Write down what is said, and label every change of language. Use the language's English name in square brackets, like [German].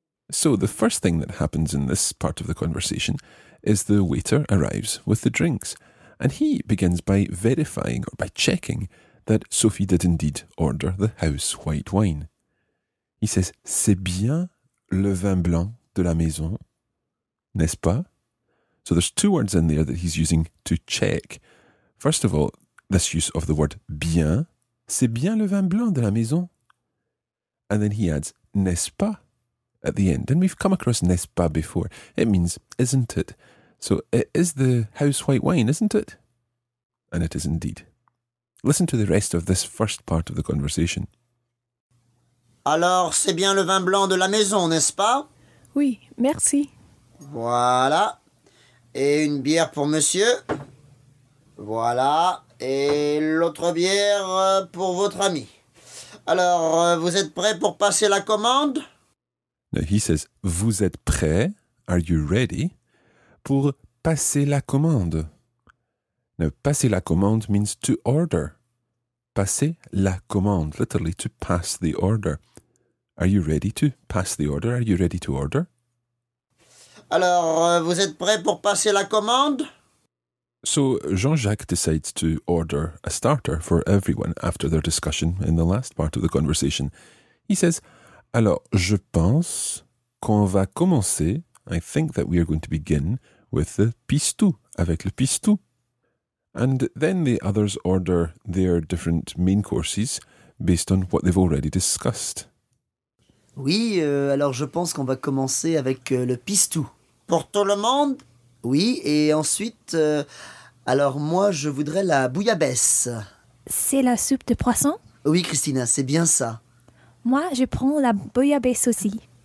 [English] So, the first thing that happens in this part of the conversation is the waiter arrives with the drinks. And he begins by verifying, or by checking, that Sophie did indeed order the house white wine. He says, [French] c'est bien le vin blanc de la maison, n'est-ce pas? [English] So there's two words in there that he's using to check. First of all, this use of the word bien, [French] c'est bien le vin blanc de la maison. [English] And then he adds, [French] n'est-ce pas, [English] at the end. And we've come across n'est-ce pas before. It means, isn't it? So it is the house white wine, isn't it? And it is indeed. Listen to the rest of this first part of the conversation. [French] Alors, c'est bien le vin blanc de la maison, n'est-ce pas? Oui, merci. Voilà. Et une bière pour monsieur. Voilà. Et l'autre bière pour votre ami. Alors, vous êtes prêt pour passer la commande? [English] Now he says, [French] vous êtes prêt, [English] are you ready, [French] pour passer la commande. [English] Now, passer la commande means to order. [French] Passer la commande, [English] literally to pass the order. Are you ready to pass the order? Are you ready to order? [French] Alors, vous êtes prêt pour passer la commande? [English] So, Jean-Jacques decides to order a starter for everyone after their discussion in the last part of the conversation. He says, [French] alors, je pense qu'on va commencer, [English] I think that we are going to begin, with the pistou, [French] avec le pistou. [English] And then the others order their different main courses based on what they've already discussed. [French] Oui, alors je pense qu'on va commencer avec le pistou. Pour tout le monde? Oui, et ensuite, alors moi je voudrais la bouillabaisse. C'est la soupe de poisson? Oui, Christina, c'est bien ça. Moi, je prends la bouillabaisse aussi.